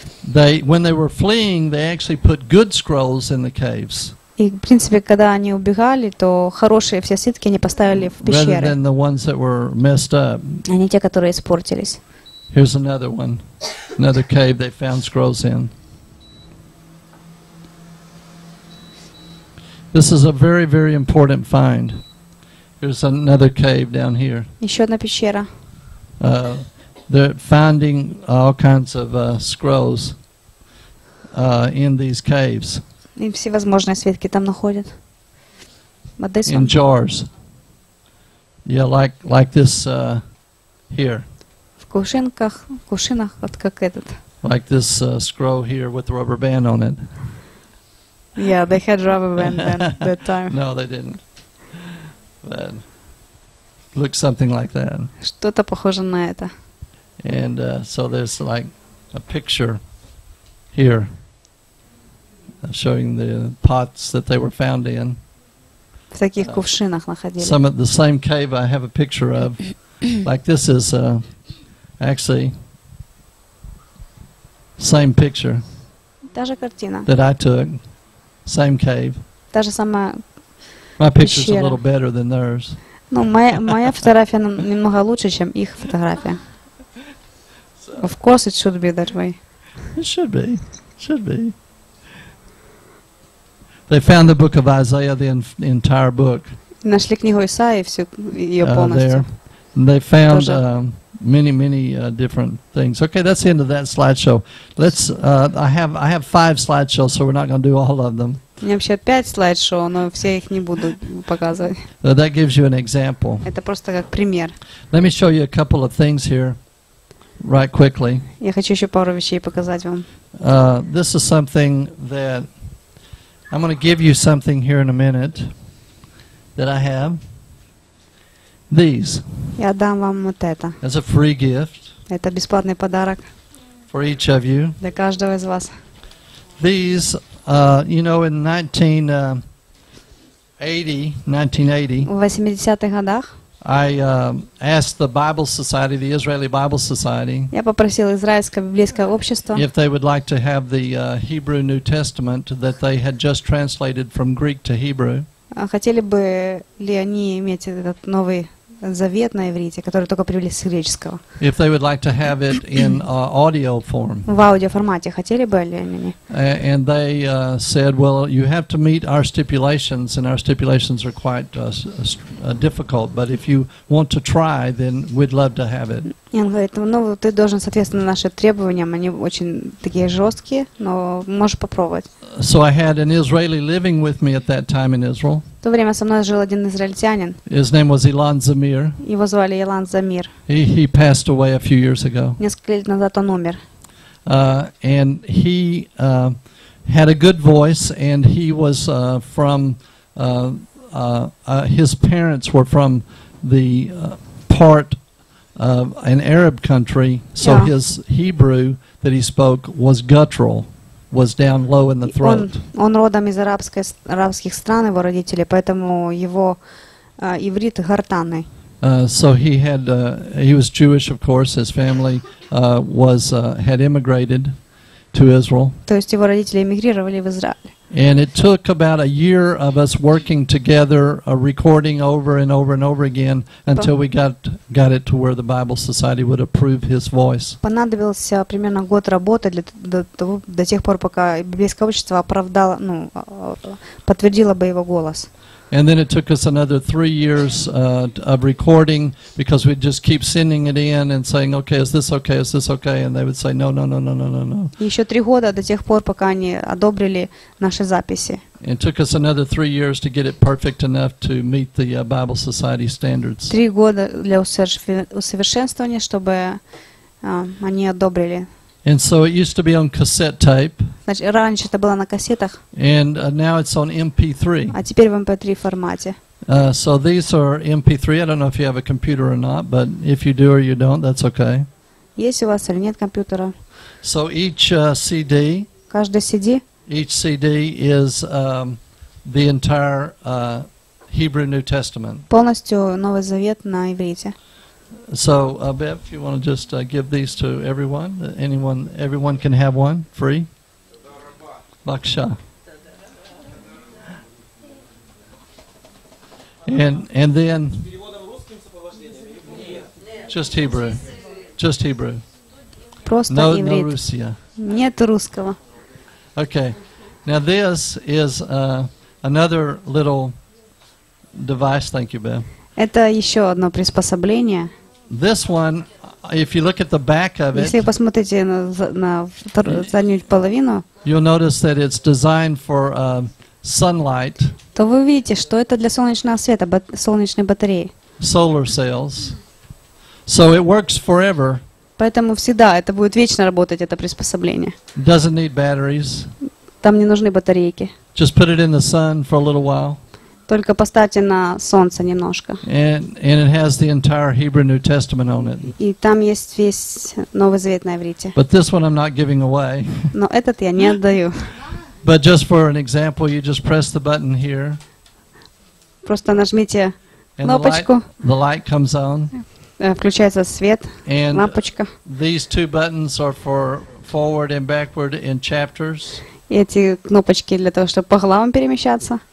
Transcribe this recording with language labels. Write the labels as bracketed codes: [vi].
[en] They when they were fleeing, they actually put good scrolls in the caves. [ru] И, в принципе, когда они убегали, то хорошие все свитки они поставили в пещеры. [en] Rather than the ones that were messed up. [ru] А не те, которые испортились. [en] Here's another one. Another cave they found scrolls in. This is a very, very important find. Here's another cave down here. [ru] Еще одна пещера. [en] They're finding all kinds of scrolls in these caves. [ru] И всевозможные свитки там находят. [en] Одесса. In jars. Yeah, like this here. [ru] В кувшинках, кувшинах, вот как этот. [en] Like this scroll here with rubber band on it. Yeah, they had rubber band then, that time. No, they didn't. But looks something like that. [ru] Что-то похоже на это. [en] And so there's like a picture here. Showing the pots that they were found in. [ru] В таких кувшинах находили. [en] Some of the same cave I have a picture of. Like this is actually same picture. [ru] Та же картина. [en] That I took. Same cave. [ru] Та же самая пещера. [en] My picture's a little better than theirs. [ru] Ну, моя фотография немного лучше, чем их фотография. [en] Of course it should be that way. It should be. They found the book of Isaiah, the entire book. [ru] Нашли книгу Исаии всю её полностью. [en] There. And they found many different things. Okay, that's the end of that slideshow. Let's I have 5 slideshows, so we're not going to do all of them. [ru] У меня вообще 5 слайдшоу, но все их не буду показывать. [en] That gives you an example. [ru] Это просто как пример. [en] Let me show you a couple of things here right quickly. [ru] Я хочу ещё пару вещей показать вам. [en] This is something that I'm going to give you something here in a minute that I have. These. [ru] Я дам вам вот это. [en] As a free gift. [ru] Это бесплатный подарок. [en] For each of you. [ru] Для каждого из вас. [en] These, you know, in 1980. [ru] В 80-х годах. [en] I asked the Bible Society, the Israeli Bible Society. [ru] Я попросил израильское библейское общество. [en] If they would like to have the Hebrew New Testament that they had just translated from Greek to Hebrew. [ru] Хотели бы ли они иметь этот новый завет на иврите, который только привели с греческого. [en] If they would like to have it in audio form. [ru] В аудиоформате хотели бы ли они? [en] And they said, well, you have to meet our stipulations, and our stipulations are quite difficult, but if you want to try, then we'd love to have it. [ru] И он говорит, ну, ты должен соответствовать нашим требованиям, они очень такие жесткие, но можешь попробовать. [en] So I had an Israeli living with me at that time in Israel. [ru] В то время со мной жил один израильтянин. [en] His name was Ilan Zamir. [ru] Его звали Илан Замир. [en] He passed away a few years ago. [ru] Несколько лет назад он умер. [en] And he had a good voice, and he was from his parents were from the part of an Arab country, so yeah. His Hebrew that he spoke was guttural. Was down low in the throat. [ru] Он родом из арабских стран, его родители, поэтому его иврит гортанный. [en] So he had he was Jewish, of course. His family was had immigrated to Israel. [ru] То есть его родители эмигрировали в Израиль. [en] And it took about a year of us working together, recording over and over and over again, until we got it to where the Bible Society would approve his voice. [ru] Понадобился примерно год работы до тех пор, пока Библейское общество оправдало, ну, подтвердило бы его голос. [en] And then it took us another 3 years of recording, because we'd just keep sending it in and saying, okay, is this okay, is this okay? And they would say, no. [ru] Еще три года до тех пор, пока они одобрили наши записи. [en] It took us another 3 years to get it perfect enough to meet the Bible Society standards. [ru] Три года для усовершенствования, чтобы они одобрили. [en] And so it used to be on cassette tape. [ru] Значит, раньше это было на кассетах. [en] And now it's on MP3. [ru] А теперь в MP3 формате. [en] So these are MP3. I don't know if you have a computer or not, but if you do or you don't, that's okay. [ru] Есть у вас или нет компьютера? [en] So each CD. [ru] Каждый CD. [en] Each CD is the entire Hebrew New Testament. [ru] Полностью Новый Завет на иврите. [en] So, Bev, if you want to just give these to everyone, everyone can have one free. Baksha. And then just Hebrew. [ru] Просто [en] no Russia. [ru] Нет русского. [en] Okay. Now this is another little device. Thank you, Bev. [ru] Это еще одно приспособление. [en] This one, if you look at the back of it, [ru] если вы посмотрите на заднюю половину, [en] you'll notice that it's designed for sunlight. [ru] То вы видите, что это для солнечного света, солнечной батареи. [en] Solar cells. So it works forever. [ru] Поэтому всегда это будет вечно работать, это приспособление. [en] Doesn't need batteries. [ru] Там не нужны батарейки. [en] Just put it in the sun for a little while. [ru] Только поставьте на солнце немножко. [en] And it has the entire Hebrew New Testament on it. [ru] И там есть весь Новый Завет на иврите. [en] But this one I'm not giving away. [ru] Но этот я не отдаю. [en] But just for an example, you just press the button here. [ru] Просто нажмите кнопочку. [en] The light comes on. [ru] Включается свет. [en] And [ru] лампочка. [en] These two buttons are for forward and backward in chapters. [ru] Эти кнопочки для того, чтобы по главам перемещаться.